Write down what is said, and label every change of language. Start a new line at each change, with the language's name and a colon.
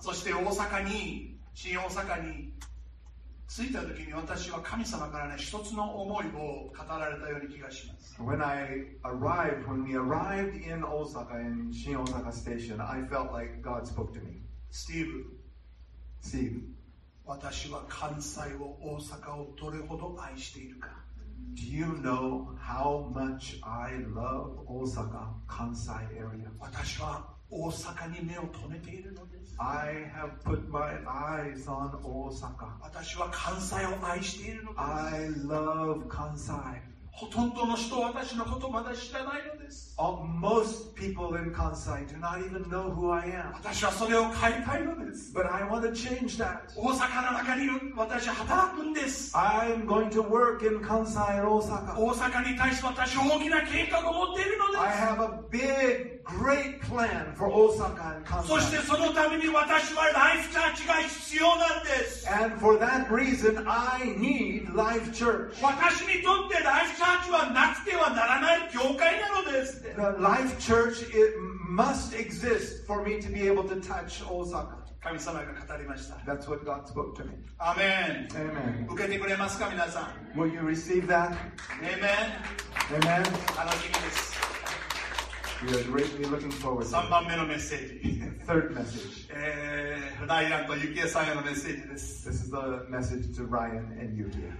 Japanese: そして大阪に、新大阪に着いた時に私は神様からね、一つの思いを語られたように気がします。
English: When I arrived, when we arrived in Osaka, in 新大阪 station, I felt like God spoke to me. Steve.
Japanese: 私は関西を、大阪をどれほど愛しているか。
English: Do you know how much I love Osaka, Kansai area?
Japanese: 私は大阪に目を留めているのです。
English: I have put my eyes on Osaka.
Japanese: 私は関西を愛しているのです。
English: I love Kansai.
Japanese: ほとんどの人は私のことをまだ知らないのです。
English: Most people in Kansai do not even know who I am.
Japanese: 私はそれを変えたいのです。
English: But I want to change that.
Japanese: 大阪の中に私は働くんです。
English: I am going to work in Kansai and Osaka.
Japanese: 大阪に対して私は大きな計画を持っているのです。
English: I have a big,Great plan for Osaka and Kansai.
Japanese: そしてそのために私はライフチャーチが必要なんです。
English: And for that reason, I need Life Church.
Japanese: 私にとってライフチャーチはなくてはならない教会なのです。
English: The Life Church it must exist for me to be able to touch Osaka.
Japanese: 神様が語りました。
English: That's what God spoke to me. Amen. Amen.
Japanese: 受けてくれますか皆さん。
English: Will you receive that? Amen. Amen.
Japanese: 楽しみです。
English: We are greatly looking forward to it.
Japanese: 3番目のメッセージ。
English: Third message.
Japanese: ライアンとユキエさんへのメッセージです。
English: This is the message to Ryan and Yuki.